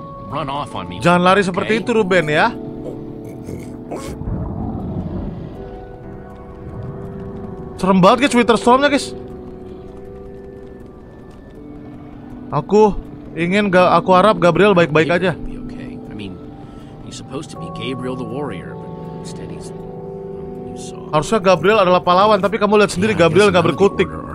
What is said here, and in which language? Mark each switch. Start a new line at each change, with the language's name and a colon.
English: Run off on me.
Indonesian: Jangan lari seperti okay? Itu Ruben ya. Serem banget guys, Winter Storm-nya guys. Aku ingin aku harap Gabriel baik-baik Gabriel aja.
English: Okay. I mean, he's supposed to be Gabriel the warrior, but instead he's
Indonesian: Harusnya Gabriel adalah pahlawan, tapi kamu lihat sendiri Gabriel enggak berkutik.